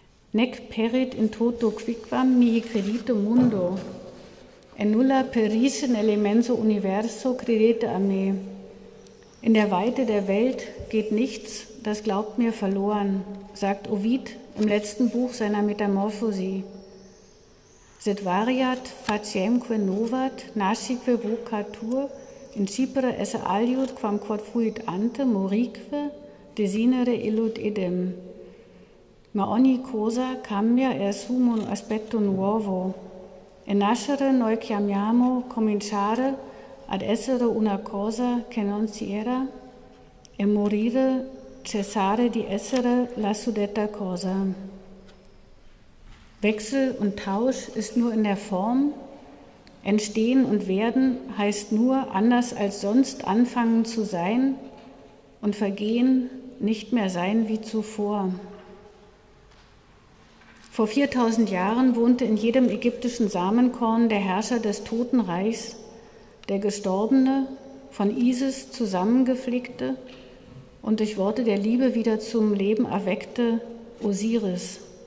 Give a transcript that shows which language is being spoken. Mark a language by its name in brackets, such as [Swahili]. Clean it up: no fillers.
[Latin] Nec perit in toto quicquam mihi credito mundo, [Italian] en nulla perisce in elemento universo credete a me. [German] In der Weite der Welt geht nichts, das glaubt mir, verloren, sagt Ovid im letzten Buch seiner Metamorphosi. [Latin] Sed variat faciemque novat nascique vocatur incipere esse aliud quam quod fuit ante morique desinere illud idem. [Italian] Ma ogni cosa cambia e assume un aspetto nuovo. E nascere noi chiamiamo cominciare ad essere una cosa che non si era e morire cessare di essere la suddetta cosa. [German] Wechsel und Tausch ist nur in der Form. Entstehen und werden heißt nur, anders als sonst anfangen zu sein und vergehen nicht mehr sein wie zuvor. Vor 4000 Jahren wohnte in jedem ägyptischen Samenkorn der Herrscher des Totenreichs, der Gestorbene, von Isis zusammengeflickte und durch Worte der Liebe wieder zum Leben erweckte Osiris.